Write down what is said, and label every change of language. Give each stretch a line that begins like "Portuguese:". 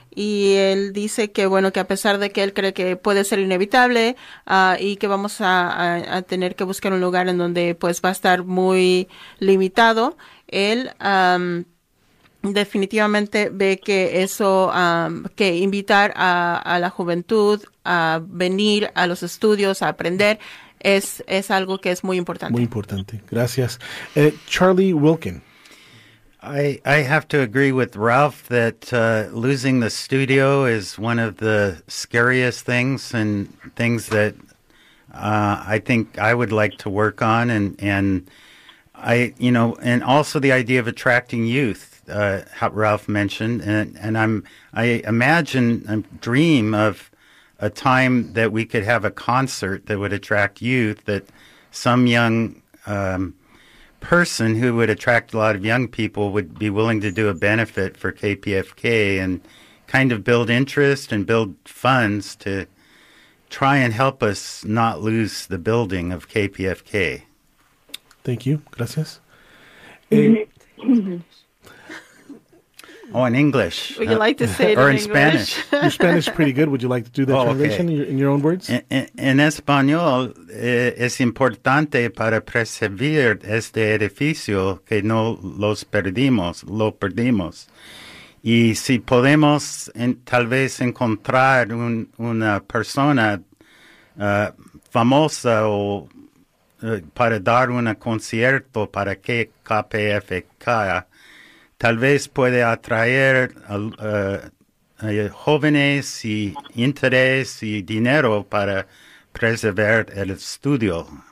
Spanish: Y él dice que, bueno, que a pesar de que él cree que puede ser inevitable y que vamos a tener que buscar un lugar en donde pues va a estar muy limitado, él definitivamente ve que eso, que invitar a la juventud a venir a los estudios a aprender es algo que es muy importante. Muy importante. Gracias. Charlie Wilkin.
English: I have to agree with Ralph that losing the studio is one of the scariest things and things that I think I would like to work on. And also the idea of attracting youth. How Ralph mentioned, and I dream of a time that we could have a concert that would attract youth, that some young person who would attract a lot of young people would be willing to do a benefit for KPFK and kind of build interest and build funds to try and help us not lose the building of KPFK. Thank you.
Spanish: Gracias.
English: Oh, in English. Would you like to say it or in Spanish? Your Spanish is pretty good. Would you like to do that translation in your own words?
Spanish: En español, es importante para preservar este edificio que no lo perdimos. Y si podemos tal vez encontrar una persona famosa o para dar un concierto para que KPFK, tal vez puede atraer a jóvenes y interés y dinero para preservar el estudio.